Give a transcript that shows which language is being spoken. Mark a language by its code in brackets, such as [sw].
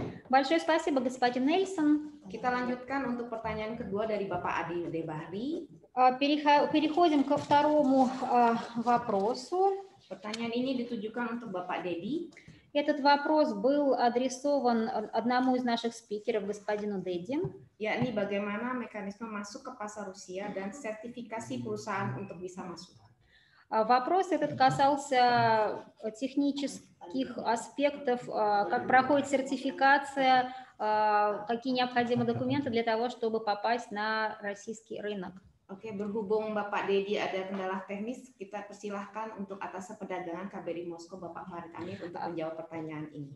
[ru] Большое спасибо, господин Нельсон. [id] Kita lanjutkan untuk pertanyaan kedua dari Bapak Adi Debahri. [ru] Переходим ко второму вопросу. [id] Pertanyaan ini ditujukan untuk Bapak Деди. [ru] Этот вопрос был адресован одному из наших спикеров, господину Деди. [id] Yakni bagaimana mekanisme masuk ke pasar Rusia dan sertifikasi perusahaan untuk bisa masuk. [ru] Вопрос этот касался технических аспектов, как проходит сертификация, какие необходимы документы для того, чтобы попасть на российский рынок. [id] Okay, berhubung Bapak Deddy ada kendala teknis, kita persilahkan untuk atase perdagangan KBRI Moskow Bapak Farid Amir untuk menjawab pertanyaan ini.